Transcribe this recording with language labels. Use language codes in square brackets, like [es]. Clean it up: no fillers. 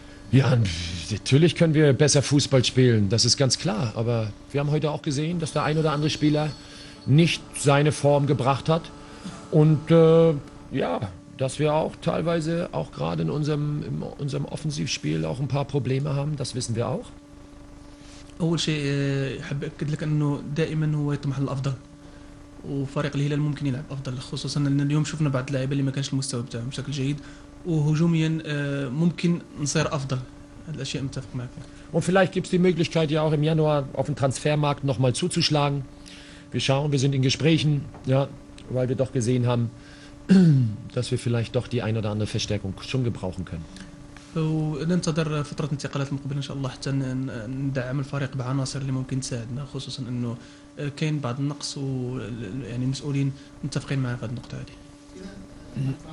[de] Ja, natürlich können wir besser Fußball spielen, das ist ganz klar. Aber wir haben heute auch gesehen, dass der ein oder andere Spieler nicht seine Form gebracht hat. Und ja, dass wir auch teilweise auch gerade in unserem Offensivspiel auch ein paar Probleme haben, das wissen wir auch. [ar] أول شيء حاب أكد لك أنه دائما هو يطمح للأفضل وفريق الهلال ممكن يلعب أفضل، خصوصا أن اليوم شفنا بعض اللاعبين اللي ما كانش المستوى بتاعهم بشكل جيد، وهجوميا ممكن نصير أفضل. هذه الأشياء متفق معك. [de] Und vielleicht gibt es die Möglichkeit ja auch im Januar auf dem Transfermarkt nochmal zuzuschlagen. Wir schauen, wir sind in Gesprächen, ja, weil wir doch gesehen haben, dass wir vielleicht doch die ein oder andere Verstärkung schon gebrauchen können. [ar] وننتظر فترة انتقالات مقبلة إن شاء الله حتى ندعم الفريق بعناصر اللي ممكن تساعدنا، خصوصا أنه كاين بعض النقص ويعني المسؤولين متفقين معنا في هذه النقطة هذه.